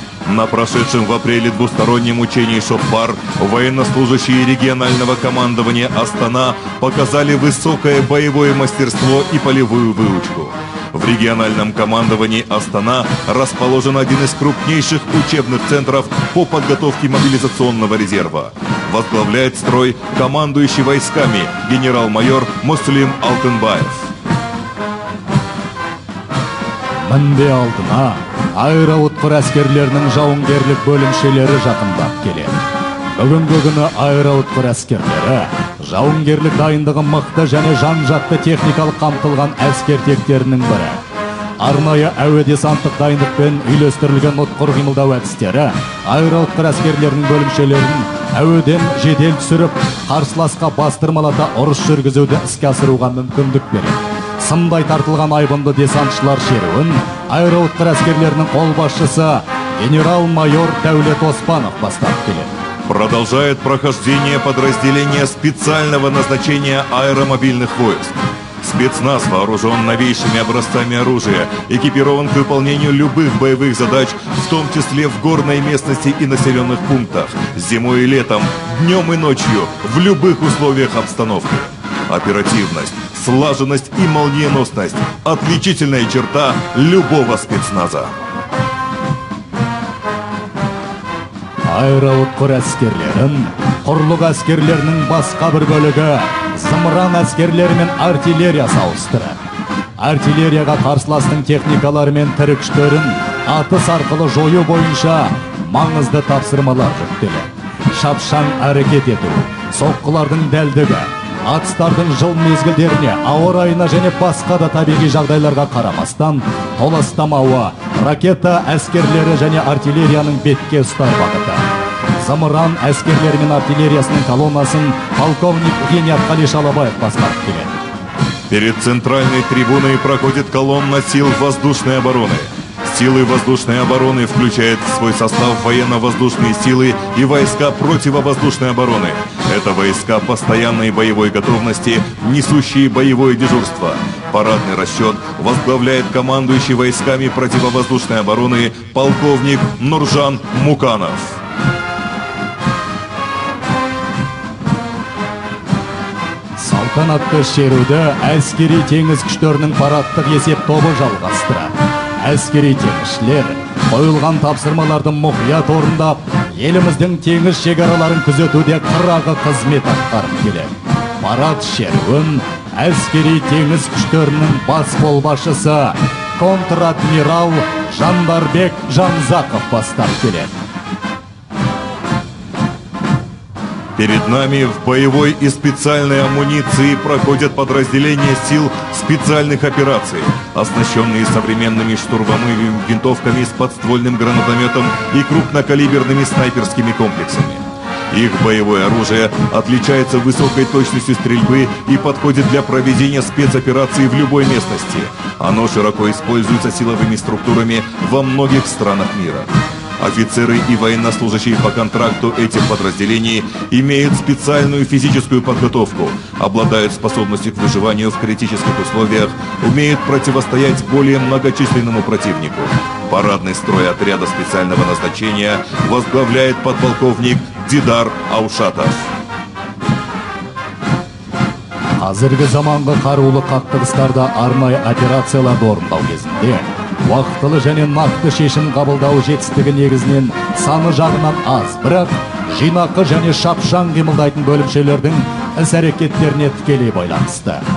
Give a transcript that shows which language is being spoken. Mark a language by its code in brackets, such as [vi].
[ru] На прошедшем в апреле двустороннем учении «Шопар» военнослужащие регионального командования «Астана» показали высокое боевое мастерство и полевую выучку. В региональном командовании «Астана» расположен один из крупнейших учебных центров по подготовке мобилизационного резерва. Возглавляет строй командующий войсками генерал-майор Муслим Алтынбаев. [kk] Мінде алдына аэроұтқыр әскерлерінің жауынгерлік бөлімшелері жақындап келеді. Бүгінгі күні аэроұтқыр әскерлері жауынгерлік дайындығы мықты және жан-жақты техникалық қамтылған әскер тектерінің бірі. Арнайы әуе десанттық дайындықпен үйлестірілген ұтқыр қимылдау әдістері аэроұтқыр әскерлерінің бөлімшелерін әуеден жедел түсіріп, қарсыласқа бастырмалата ұрыс жүргізуді іске асыруға мүмкіндік береді. Сымдай тартылған айбынды десантшылар шеруін аэроұтқыр әскерлерінің қолбасшысы генерал-майор Дәулет Оспанов бастап келеді. [ru] Продолжает прохождение подразделения специального назначения аэромобильных войск. Спецназ вооружен новейшими образцами оружия, экипирован к выполнению любых боевых задач, в том числе в горной местности и населенных пунктах, зимой и летом, днем и ночью, в любых условиях обстановки. Оперативность, слаженность и молниеносность – отличительная черта любого спецназа. [kk] Аэроұтқыр әскерлерін, құрлық әскерлерінің басқа бір бөлігі, зымыран әскерлері мен артиллерия сауыстыры. Артиллерияға қарсыластың техникалары мен тірікштерін атыс арқылы жою бойынша маңызды тапсырмалар жүктелі. Шапшаң әрекет ету, соққылардың дәлдігі, атыстардың жыл мезгілдеріне, ауа райына және басқа да табиғи жағдайларға қарамастан, толастамауы, ракета әскерлері және артиллерияның бетке ұстар бағыты. Зымыран әскерлері мен артиллериясының колоннасын полковник Генерал Қали Шалабаев басқарып келеді. [ru] Перед центральной трибуной проходит колонна сил воздушной обороны. Силы воздушной обороны включают в свой состав военно-воздушные силы и войска противовоздушной обороны. Это войска постоянной боевой готовности, несущие боевое дежурство. Парадный расчет возглавляет командующий войсками противовоздушной обороны полковник Нуржан Муканов. [kk] Салтанатты шеруді әскери теңіз күштерінің парадтық есеп тобы жалғастыра. Әскери теңізшілер қойылған тапсырмаларды мұқият орындап, еліміздің теңіз шекараларын күзетуде қырағы қызмет атқарып келеді. Парад шеруін әскери теңіз күштерінің бас қолбасшысы контр-адмирал Жандарбек Жанзақов бастап келеді. [ru] Перед нами в боевой и специальной амуниции проходят подразделения сил специальных операций, оснащенные современными штурмовыми винтовками с подствольным гранатометом и крупнокалиберными снайперскими комплексами. Их боевое оружие отличается высокой точностью стрельбы и подходит для проведения спецопераций в любой местности. Оно широко используется силовыми структурами во многих странах мира. Офицеры и военнослужащие по контракту этих подразделений имеют специальную физическую подготовку, обладают способностью к выживанию в критических условиях, умеют противостоять более многочисленному противнику. Парадный строй отряда специального назначения возглавляет подполковник Дидар Аушатов. [kk] Қазіргі заманғы қарулы қақтығыстарда арнайы операцияларды орындау кезінде уақытылы және нақты шешім қабылдау жетістігі негізінен саны жағынан аз, бірақ жинақы және шапшаң қимылдайтын бөлімшелердің іс-әрекеттеріне тікелей байланысты.